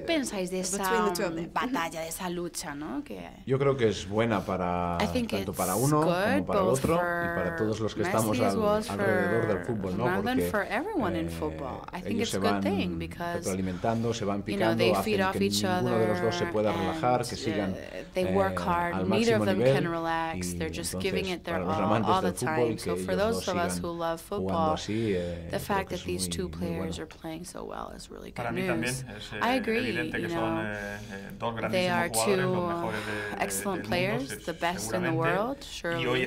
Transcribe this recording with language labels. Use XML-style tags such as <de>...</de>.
<es>¿Qué pensáis de esa batalla, de esa lucha, no? Que yo creo que es buena para tanto para uno como para el otro y para todos los que estamos alrededor del fútbol, ¿no? Porque</es> <en>for everyone in football. I think it's a good thing because</en> <es>se van picando,</es> <en>off each other.</en> <es>Ninguno de los dos se pueda relajar, que sigan al máximo nivel.</es> <en>Can relax. They're just giving it their all the time. So for those of us who love football, así, the fact that these two players are playing so well is really good news. I agree. You know, they are two excellent players, the best in the world, surely.</en>